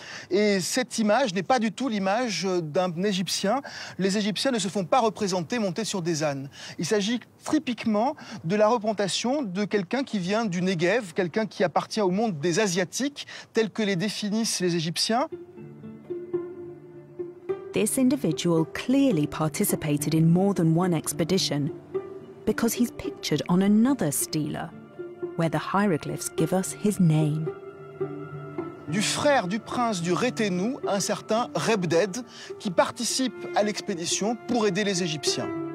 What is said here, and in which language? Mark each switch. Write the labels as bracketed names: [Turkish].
[French] Et cette image n'est pas du tout l'image d'un Égyptien. Les Égyptiens ne se font pas représenter montés sur des ânes. Il s'agit typiquement de la représentation de quelqu'un qui vient du Négev, quelqu'un qui appartient au monde des Asiatiques, tel que les définissent les Égyptiens. [English] This individual clearly participated in more than one expedition because he's pictured on another stela, where the hieroglyphs give us his name. [French] Du frère du prince du Rétenu, un certain Rebded, qui participe à l'expédition pour aider les Égyptiens.